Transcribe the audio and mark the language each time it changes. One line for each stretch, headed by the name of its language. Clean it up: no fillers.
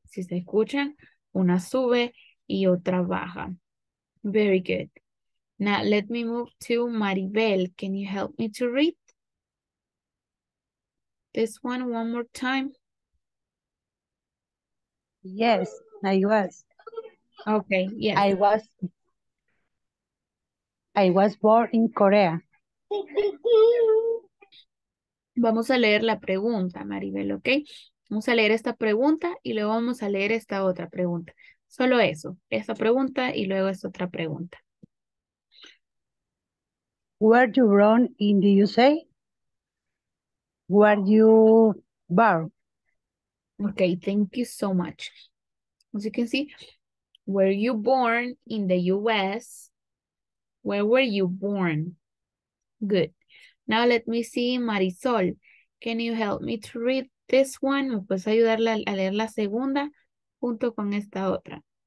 Spanish: Si se escuchan, una sube y otra baja.
English: Very good. Now let me move to Maribel. Can you help me to read this one more time? Yes, I was. Okay, yes. I was born in Korea.
Spanish: Vamos a leer la pregunta, Maribel, okay? Vamos a leer esta pregunta y luego vamos a leer esta otra pregunta. Solo eso, esta pregunta y luego esta otra pregunta.
English: Were you born in the USA? Were you born? Okay, thank you so much. As you can see, were you born in the US? Where were you born? Good. Now let me see Marisol. Can you help me to read this one?
Spanish: ¿Me puedes ayudar a leer la segunda junto con esta otra?